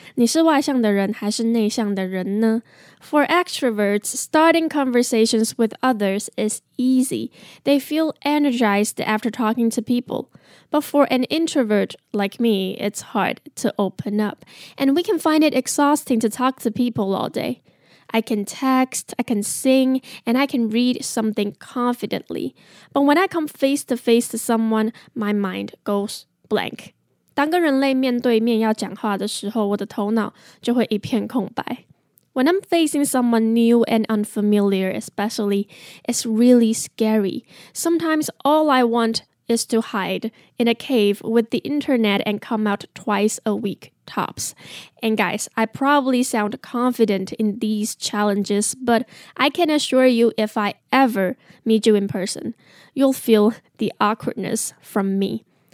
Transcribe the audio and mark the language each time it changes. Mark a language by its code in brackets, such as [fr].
[zh] 你是外向的人还是内向的人呢? [en] For extroverts, starting conversations with others is easy. They feel energized after talking to people. But for an introvert like me, it's hard to open up. And we can find it exhausting to talk to people all day. I can text, I can sing, and I can read something confidently. But when I come face to face to someone, my mind goes blank. [zh] 当个人类面对面要讲话的时候，我的头脑就会一片空白。 [en] When I'm facing someone new and unfamiliar, especially, it's really scary. Sometimes all I want is to hide in a cave with the internet and come out twice a week. Tops. And guys, I probably sound confident in these challenges, but I can assure you if I ever meet you in person, you'll feel the awkwardness from me.